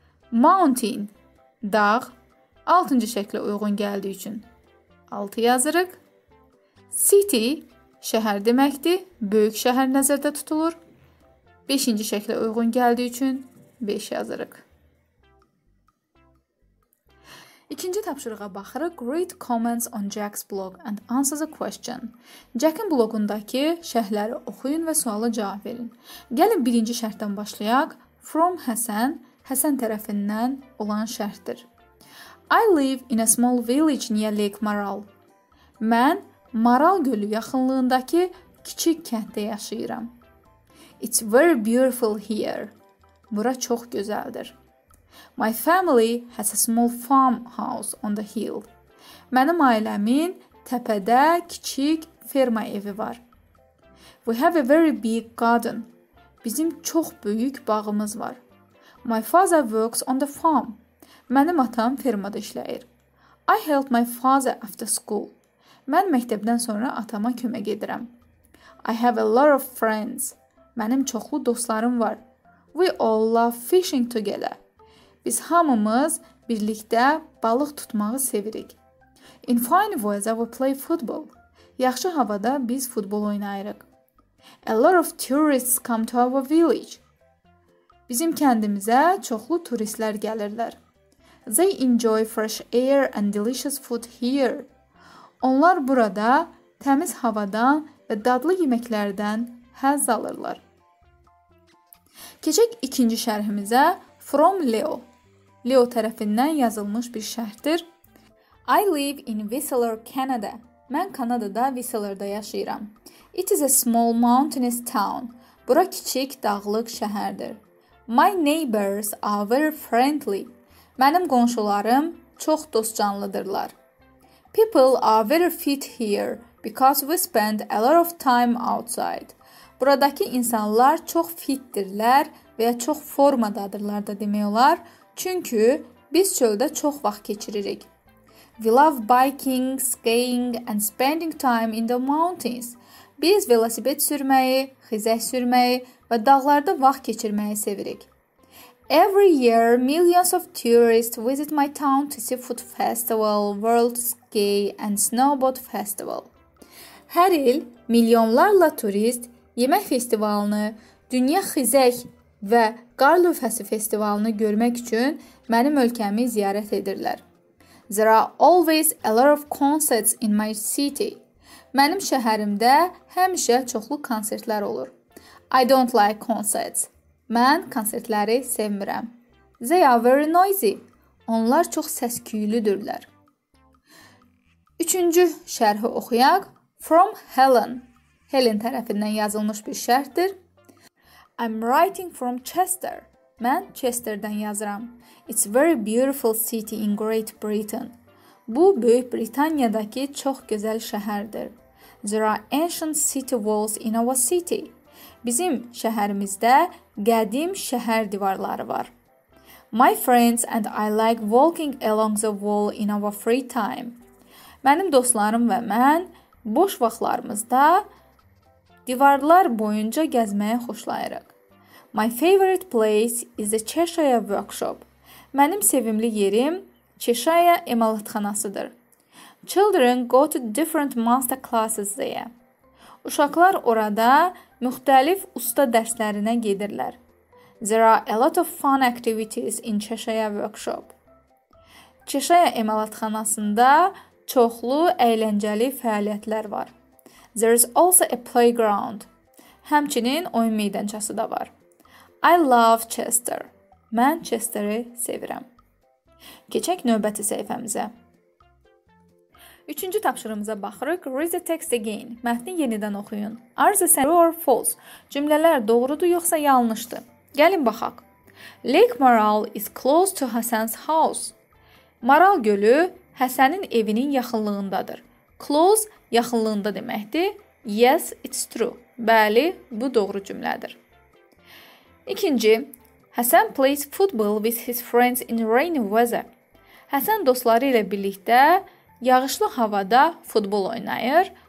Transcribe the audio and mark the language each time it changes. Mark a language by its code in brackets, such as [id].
[az] Mountain, dağ. Altıncı şəklə uyğun gəldiyi üçün 6 yazırıq. City, şəhər deməkdir. Böyük şəhər nəzərdə tutulur. Beşinci şəklə uyğun gəldiyi üçün 5 yazırıq. İkinci tapşırığa baxırıq. [en] Read comments on Jack's blog and answer the question. [az] Jack'in blogundakı şərhləri oxuyun və suala cavab verin. Gəlin birinci şərhdən başlayaq. [en] From Hasan, [az] Hasan tərəfindən olan şərhdir. [en] I live in a small village near Lake Maral. [az] Mən Maral gölü yaxınlığındakı kiçik kənddə yaşayıram. [en] It's very beautiful here. [az] Bura çox gözəldir. [en] My family has a small farmhouse on the hill. [az] Mənim ailəmin təpədə kiçik ferma evi var. [en] We have a very big garden. [az] Bizim çox böyük bağımız var. [en] My father works on the farm. [az] Mənim atam fermada işləyir. [en] I help my father after school. [az] Mən məktəbdən sonra atama kömək edirəm. [en] I have a lot of friends. [az] Mənim çoxlu dostlarım var. [en] We all love fishing together. [az] Biz hamımız birlikdə balıq tutmağı sevirik. [en] In fine weather we play football. [az] Yaxşı havada biz futbol oynayırıq. [en] A lot of tourists come to our village. [az] Bizim kəndimizə çoxlu turistlər gəlirlər. [en] They enjoy fresh air and delicious food here. [az] Onlar burada təmiz havadan və dadlı yeməklərdən həzz alırlar. Keçək ikinci şərhimizə. [en] From Leo. [az] Leo tərəfindən yazılmış bir şərhdir. [en] I live in Whistler, Canada. [az] Mən Kanada'da Whistler'da yaşayıram. [en] It is a small mountainous town. [az] Bura kiçik dağlıq şəhərdir. [en] My neighbors are very friendly. [az] Mənim qonşularım çox dostcanlıdırlar. [en] People are very fit here because we spend a lot of time outside. [az] Buradakı insanlar çox fitdirlər və ya çox formadadırlar da demək olar. Çünki biz çöldə çox vaxt keçiririk. [en] We love biking, skiing and spending time in the mountains. [az] Biz velosiped sürməyi, xizək sürməyi və dağlarda vaxt keçirməyi sevirik. [en] Every year millions of tourists visit my town to see food festival, world ski and snowboard festival. [az] Hər il milyonlarla turist yemək festivalını, dünya xizək və qar lövhəsi festivalını görmək üçün mənim ölkəmi ziyarət edirlər. [en] There are always a lot of concerts in my city. [az] Mənim şəhərimdə həmişə çoxlu konsertlər olur. [en] I don't like concerts. [az] Mən konsertləri sevmirəm. [en] They are very noisy. [az] Onlar çox səsküylüdürlər. Üçüncü şərhi oxuyaq. [en] From Helen. [az] Helen tərəfindən yazılmış bir şərhdir. [en] I'm writing from Chester. [az] Mən Chester'dan yazıram. [en] It's very beautiful city in Great Britain. [az] Bu, Böyük Britaniyadakı çox gözəl şəhərdir. [en] There are ancient city walls in our city. [az] Bizim şəhərimizdə qədim şəhər divarları var. [en] My friends and I like walking along the wall in our free time. [az] Mənim dostlarım və mən boş vaxtlarımızda divarlar boyunca gəzməyi xoşlayırıq. [en] My favorite place is the Cheshire Workshop. [az] Mənim sevimli yerim Cheshire emalatxanasıdır. [en] Children go to different master classes there. [az] Uşaqlar orada müxtəlif usta dərslərinə gedirlər. [en] There are a lot of fun activities in Cheshire Workshop. [az] Cheshire emalatxanasında çoxlu əyləncəli fəaliyyətlər var. [en] There is also a playground. [az] Həmçinin oyun meydançası da var. [en] I love Chester. [az] Mən Chester'i sevirəm. Keçək növbəti səhifəmizə. Üçüncü tapşırımıza baxırıq. [en] Read the text again. [az] Mətni yenidən oxuyun. [en] Are the true or false? [az] Cümlələr doğrudur yoxsa yanlışdır? Gəlin baxaq. [en] Lake Maral is close to Hasan's house. [az] Maral gölü Həsənin evinin yaxınlığındadır. Close yaxınlığında deməkdir. [en] Yes, it's true. [az] Bəli, bu doğru cümlədir. [en] İkinci, Həsən plays football with his friends in rainy weather. [az] Həsən dostları ilə birlikdə yağışlı havada futbol oynayır.